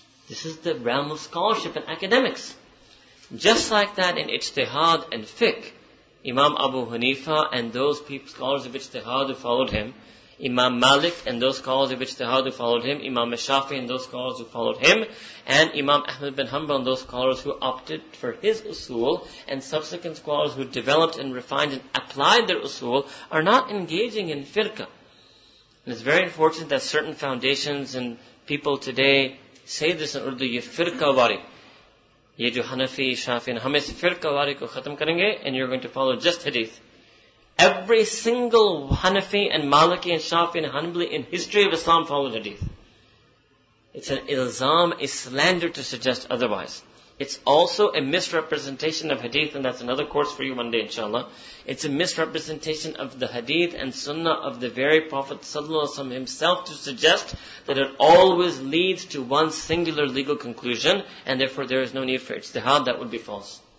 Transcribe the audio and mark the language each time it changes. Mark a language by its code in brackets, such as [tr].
[en] This is the realm of scholarship and academics. Just like that in ijtihad and fiqh, Imam Abu Hanifa and those scholars of ijtihad who followed him, Imam Malik and those scholars of ijtihad who followed him, Imam Shafi and those scholars who followed him, and Imam Ahmad bin Hanbal and those scholars who opted for his usul, and subsequent scholars who developed and refined and applied their usul, are not engaging in firqa. And it's very unfortunate that certain foundations and people today say this in Urdu, [ur] ye firqa wari. یہ جو حنفی شافی ہم اس فرق والے کو ختم کریں گے [en] and you're going to follow just hadith. Every single Hanafi and Maliki and Shafi and Hanbali in history of Islam followed hadith. It's an ilzam, a slander to suggest otherwise. It's also a misrepresentation of hadith, and that's another course for you one day, inshallah. It's a misrepresentation of the hadith and sunnah of the very Prophet ﷺ himself to suggest that it always leads to one singular legal conclusion, and therefore there is no need for ijtihad, that would be false.